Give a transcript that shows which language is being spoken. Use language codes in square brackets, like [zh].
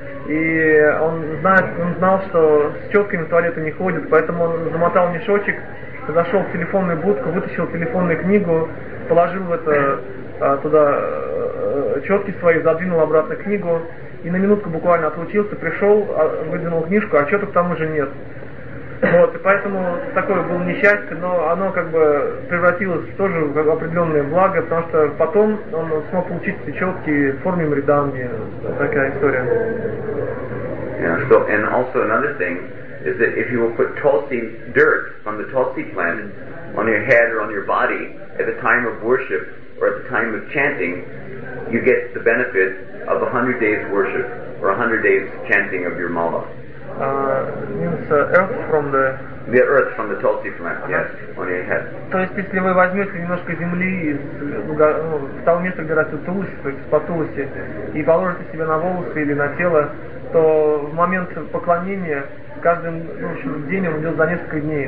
[ru] И он знал, что с четками в туалеты не ходят, поэтому он замотал мешочек, зашел в телефонную будку, вытащил телефонную книгу, положил туда четки свои, задвинул обратно книгу и на минутку буквально отлучился, пришел, выдвинул книжку, а четок там уже нет. Вот, и поэтому такое было несчастье, но оно как бы превратилось тоже в определенное благо, потому что потом он смог получить эти четки в форме мриданги. Такая история. [en] Yeah, so, and also another thing is that if you will put tulsi dirt from the tulsi plant on your head or on your body at the time of worship or at the time of chanting, you get the benefit of 100 days worship or 100 days chanting of your mala. Means earth from the tulsi plant, yes, on your head. [ru] То есть если вы возьмете немножко земли из того места, где растет тулуси, то есть под тулуси, и положите себе на волосы или на тело, что в момент поклонения каждый, ну, в общем, день он идет за несколько дней.